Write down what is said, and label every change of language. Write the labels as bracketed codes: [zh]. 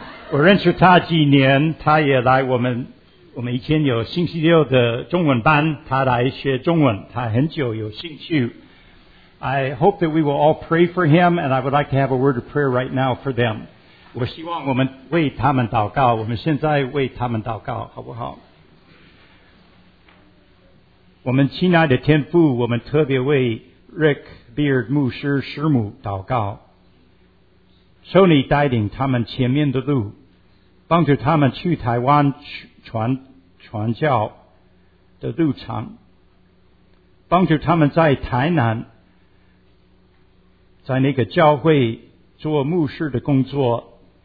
[zh] 我认识他几年，他也来我们以前有星期六的中文班，他来学中文，他很久有兴趣。 [en] I hope that we will all pray for him, and I would like to have a word of prayer right now for them. [zh] 我希望我们为他们祷告，我们现在为他们祷告，好不好？我们亲爱的天父，我们特别为 Rick Beard 牧师师母祷告。求你带领他们前面的路，帮助他们去台湾传教的路程，帮助他们在台南，在那个教会做牧师的工作。